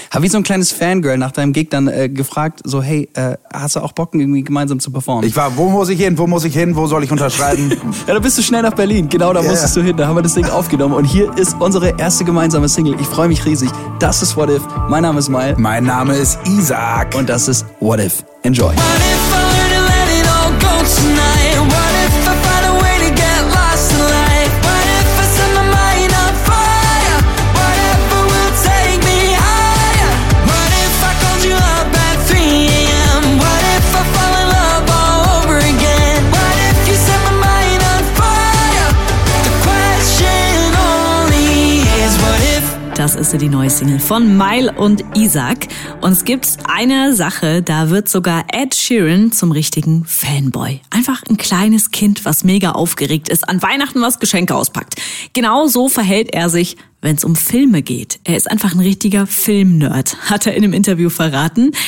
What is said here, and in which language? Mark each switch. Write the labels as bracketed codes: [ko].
[de] Habe ich so ein kleines Fangirl nach deinem Gig dann gefragt, so, hey, hast du auch Bock, irgendwie gemeinsam zu performen? Ich war, wo muss ich hin, wo soll ich unterschreiben? Ja, da bist du schnell nach Berlin, genau, da musstest du hin, da haben wir das Ding aufgenommen. Und hier ist unsere erste gemeinsame Single, ich freue mich riesig. Das ist What If, mein Name ist Mile. Mein Name ist Isaac. Und das ist What If, [en] enjoy. What if I were to let it all go tonight? What if I find a way to get lost in life? What if I set my mind on fire? Whatever will take me higher? What if I called you up at 3 a.m? What if I fall in love all over again? What if you set my mind on fire? The question only is what if. [de] Das ist die neue Single von Mile und Isaac. Und es gibt eine Sache, da wird sogar Ed Sheeran zum richtigen Fanboy. Einfach ein kleines Kind, was mega aufgeregt ist, an Weihnachten was Geschenke auspackt. Genau so verhält er sich, wenn es um Filme geht. Er ist einfach ein richtiger Filmnerd, hat er in einem Interview verraten.